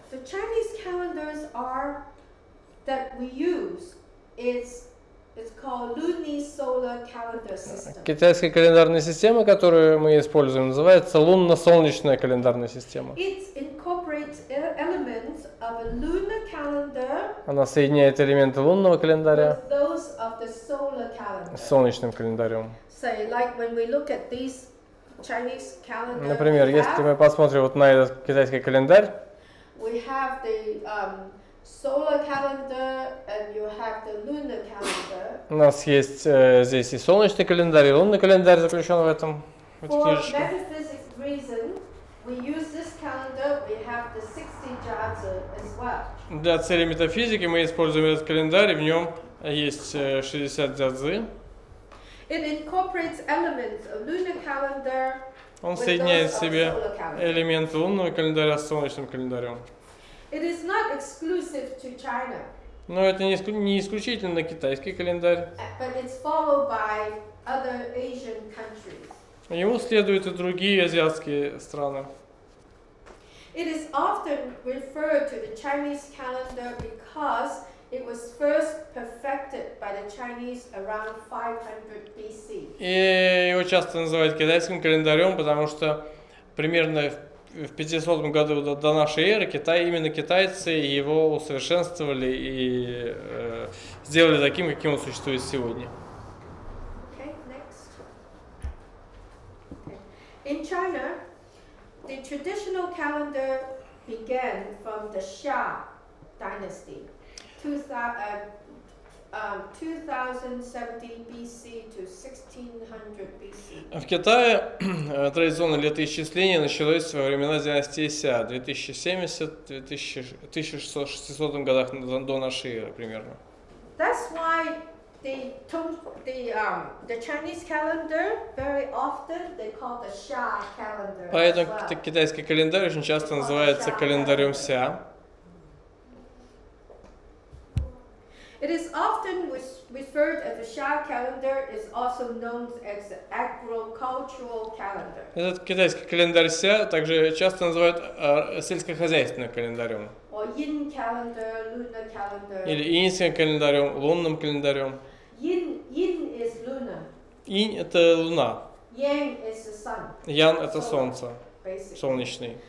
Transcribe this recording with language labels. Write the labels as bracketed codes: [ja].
[en] The Chinese calendars are that we use is called lunisolar calendar system. [ru] Китайская календарная система, которую мы используем, называется лунно-солнечная календарная система. [en] It incorporates elements of a lunar calendar. [ru] Она соединяет элементы лунного календаря [en] with those of the solar calendar. [ru] С солнечным календарем. [en] So, like when we look at these Chinese calendar. [ru] Например, если мы посмотрим вот на этот китайский календарь, [en] we have the solar calendar and you have the lunar calendar. [ru] У нас есть здесь и солнечный календарь, и лунный календарь заключен в этом книжечке. [en] For metaphysic reason, we use this calendar. We have the 60 jazz as well. [ru] Для цели метафизики мы используем этот календарь, и в нем есть 60 дзядзы. [en] It incorporates elements of lunar calendar. [ru] Он соединяет в себе элементы лунного календаря с солнечным календарем. [en] It is not exclusive to China. [ru] Но это не исключительно китайский календарь. [en] But it's followed by other Asian countries. [ru] Ему следуют и другие азиатские страны. [en] It is often referred to the Chinese calendar because it was first perfected by the Chinese around 500 BC. [ru] И его часто называют китайским календарем, потому что примерно в 500 году до нашей эры Китай, именно китайцы его усовершенствовали и сделали таким, каким он существует сегодня. [en] Okay, next. Okay. In China, the traditional calendar began from the Xia dynasty. 2070 BC to 1600 BC. [ru] В Китае традиционное летоисчисление началось во времена династии Ся, 2070-1600 годах до нашей эры примерно. [en] That's why the Chinese calendar very often they call the Xia calendar. [ru] Поэтому китайский календарь очень часто называется календарем Ся. [en] It is often referred as the Xia calendar is also known as the agricultural calendar. [ru] Этот китайский календарь Ся также часто называют сельскохозяйственным календарем. [en] Or yin calendar, lunar calendar. [ru] Или иньским календарем, лунным календарем. [en] Yin is lunar. [ru] Инь — это луна. [en] Yang is the sun. [ru] Ян — это солнце. [en] Basically. [ru] Солнечный.